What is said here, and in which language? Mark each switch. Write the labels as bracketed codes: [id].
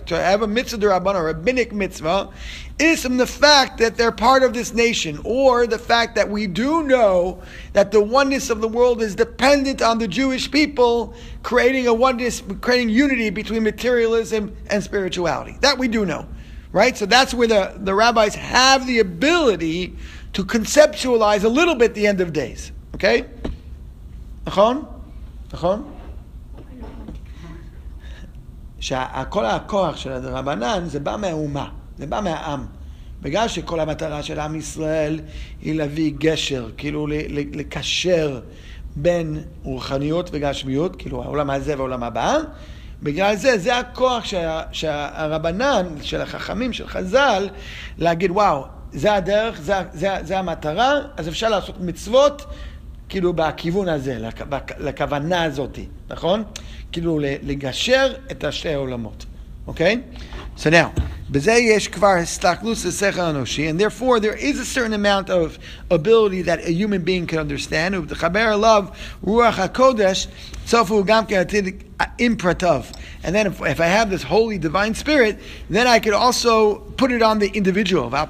[en] To have a mitzvah d'rabbanan, a rabbinic mitzvah, is from the fact that they're part of this nation, or the fact that we do know that the oneness of the world is dependent on the Jewish people creating a oneness, creating unity between materialism and spirituality. That we do know, right? So that's where the rabbis have the ability to conceptualize a little bit the end of days, okay? [he] Nachon? Nachon? שכל הכוח של הרבנן זה בא מהאומה, זה בא מהעם. בגלל שכל המטרה של עם ישראל היא להביא גשר, כאילו לקשר בין רוחניות וגשמיות, כאילו העולם הזה והעולם הבא, בגלל זה הכוח שהרבנן, של החכמים, של חז"ל, להגיד, וואו, זה הדרך, זה המטרה, אז אפשר לעשות מצוות, כאילו בכיוון הזה, לכוונה הזאת, נכון? כאילו לגשר את השתי העולמות. אוקיי? [en] So now, [he] בזה יש כבר הסתכלות לשכל האנושי, [en] and therefore there is a certain amount of ability that a human being can understand, [he] ובחבר אליו רוח הקודש, צופו גם כעתיד אימפרטיו. [en] And then if I have this holy divine spirit, then I could also put it on the individual.